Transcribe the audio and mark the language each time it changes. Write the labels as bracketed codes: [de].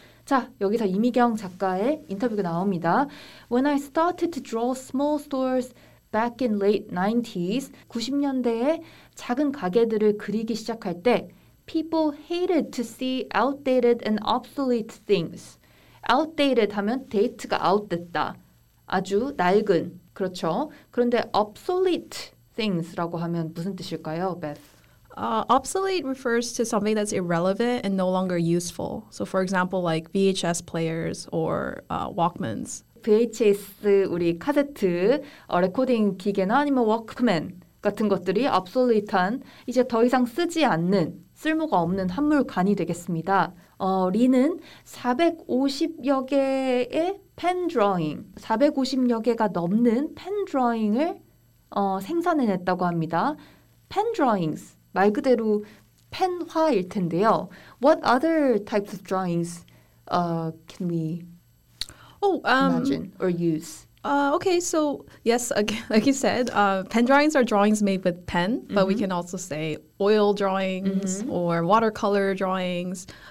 [ko] 자, 여기서 이미경 작가의 인터뷰가 나옵니다. [en] When I started to draw small stores back in late 90s, [ko] 90년대에 작은 가게들을 그리기 시작할 때 [en] people hated to see outdated and obsolete things. [ko] Outdated 하면 데이트가 아웃됐다. 아주 낡은, 그렇죠? 그런데 obsolete things라고 하면 무슨 뜻일까요, Beth? [en] Obsolete refers to something that's irrelevant and no longer useful. So for example, like VHS players or Walkmans. [ko] VHS, 우리 카세트, 레코딩 기계나 아니면 워크맨 같은 것들이 obsolete한, 이제 더 이상 쓰지 않는, 쓸모가 없는 한물간이 되겠습니다. 리는 450여 개의 펜 드로잉, 450여 개가 넘는 펜 드로잉을 생산해냈다고 합니다. 펜 드로잉, 말 그대로 펜화일 텐데요. [en] What other types of drawings can we imagine or use? Okay, so yes, again, like you said, pen drawings are drawings made with pen, but mm-hmm. we can also say oil drawings mm-hmm. or watercolor drawings.